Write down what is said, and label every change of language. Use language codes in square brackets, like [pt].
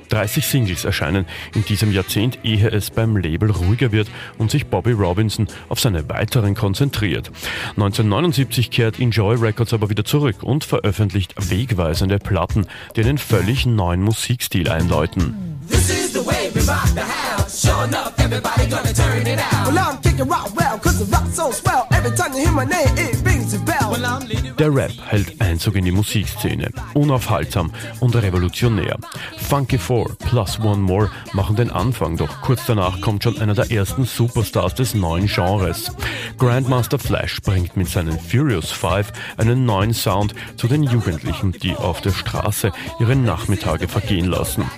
[de] 30 Singles erscheinen in diesem Jahrzehnt, ehe es beim Label ruhiger wird und sich Bobby Robinson auf seine weiteren konzentriert. 1979 kehrt Enjoy Records aber wieder zurück und veröffentlicht wegweisende Platten, die einen völlig neuen Musikstil einläuten. [en] This is the way we rock the house, sure enough, everybody gonna turn it out. Well, I'm kicking rock well, cause the rock's so swell, every time you hear my name, it rings a bell. Well, I'm leading. [de] Der Rap hält Einzug in die Musikszene, unaufhaltsam und revolutionär. Funky Four plus One More machen den Anfang, doch kurz danach kommt schon einer der ersten Superstars des neuen Genres. Grandmaster Flash bringt mit seinen Furious Five einen neuen Sound zu den Jugendlichen, die auf der Straße ihre Nachmittage vergehen lassen.